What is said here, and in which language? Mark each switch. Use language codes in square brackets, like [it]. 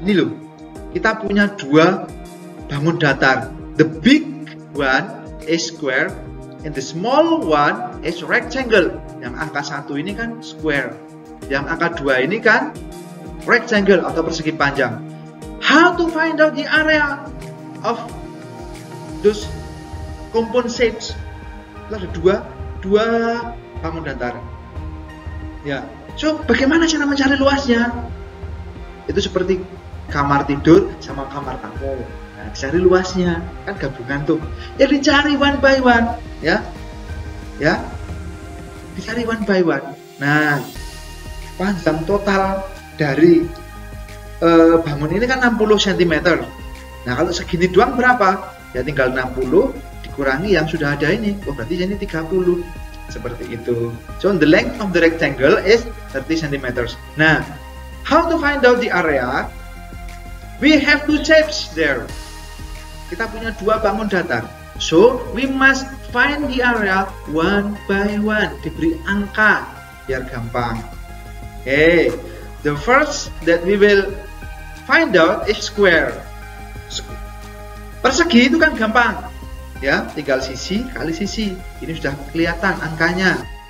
[id] Ini loh, kita punya dua bangun datar. [en] The big one is square and the small one is rectangle. [id] Yang angka 1 ini kan square, yang angka 2 ini kan rectangle atau persegi panjang. [en] How to find out the area of those compound shapes? [id] Itu ada dua bangun datar. Ya, so bagaimana cara mencari luasnya? Itu seperti kamar tidur sama kamar tamu. Nah, dicari luasnya, kan gabungan tuh. Ya, dicari [en] one by one, [id] ya. Ya. Dicari one by one. Nah, panjang total dari bangun ini kan 60 cm. Nah, kalau segini doang berapa? Ya tinggal 60 dikurangi yang sudah ada ini. Oh, berarti jadi 30. Seperti itu. [en] So, the length of the rectangle is 30 cm. Nah, how to find out the area? We have two shapes there. [id] Kita punya dua bangun datar. [en] So, we must find the area one by one. [id] Diberi angka biar gampang. Okay. [en] The first that we will find out is square. [id] Persegi itu kan gampang. Ya, tinggal sisi kali sisi. Ini sudah kelihatan angkanya.